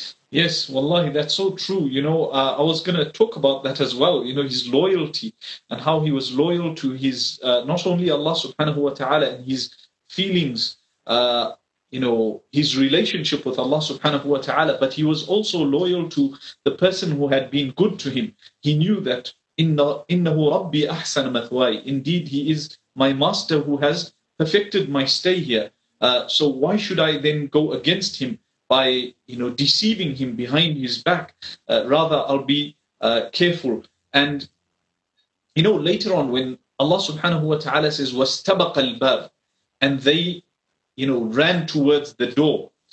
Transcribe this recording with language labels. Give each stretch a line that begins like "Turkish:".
English: Yes, wallahi, that's so true. You know, I was going to talk about that as well. You know, his loyalty and how he was loyal to his, not only Allah subhanahu wa ta'ala, and his feelings, his relationship with Allah subhanahu wa ta'ala, but he was also loyal to the person who had been good to him. He knew that,
Arabic: إِنَّهُ رَبِّي أَحْسَنَ مَثْوَايَ.
English: Indeed, he is my master who has perfected my stay here. So why should I then go against him by, you know, deceiving him behind his back? Rather, I'll be careful. And, you know, later on when Allah subhanahu wa ta'ala says,
Arabic: وَاسْتَبَقَ الْبَابِ,
English: and they, you know, ran towards the door.